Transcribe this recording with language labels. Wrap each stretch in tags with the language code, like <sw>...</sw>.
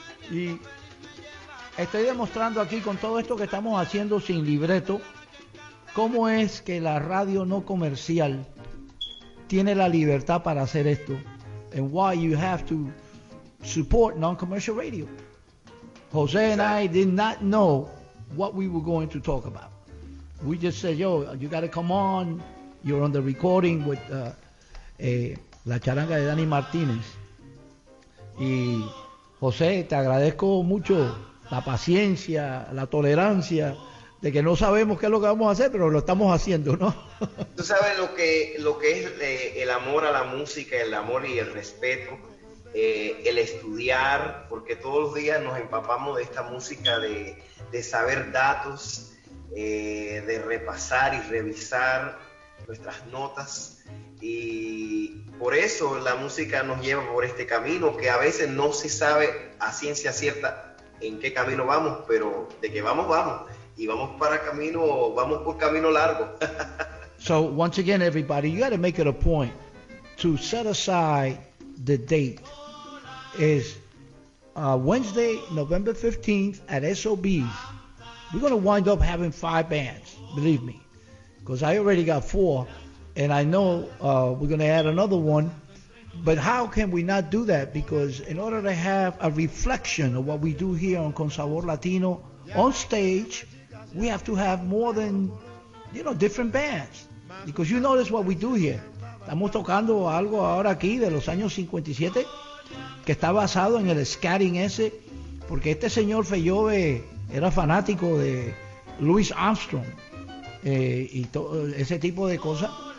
<es>Y estoy demostrando aquí, con todo esto que estamos haciendo sin libreto, cómo es que la radio no comercial tiene la libertad para hacer esto.</es> <en>And why you have to support non-commercial radio. Jose and I did not know what we were going to talk about. We just said, yo, you got to come on. You're on the recording with La Charanga de Dani Martínez.</en> <es>Y José, te agradezco mucho la paciencia, la tolerancia, de que no sabemos qué es lo que vamos a hacer, pero lo estamos haciendo, ¿no? Tú sabes lo que es el amor a la música, el amor y el respeto. El estudiar, porque todos los días nos empapamos de esta música, de saber datos, de repasar y revisar nuestras notas, y por eso la música nos lleva por este camino, que a veces no se sabe a ciencia cierta en qué camino vamos, pero de que vamos, y vamos por camino largo.</es> <en>So once again, everybody, you got to make it a point to set aside the date. Is Wednesday, November 15th at SOB's. We're going to wind up having 5 bands, believe me, because I already got 4, and I know we're going to add another one. But how can we not do that? Because in order to have a reflection of what we do here on Con Sabor Latino on stage, we have to have more than, you know, different bands. Because you notice what we do here.</en> <es>Estamos tocando algo ahora aquí de los años 57. Que está basado en el scatting ese, porque este señor Feyobe era fanático de Louis Armstrong y todo ese tipo de cosas.</es>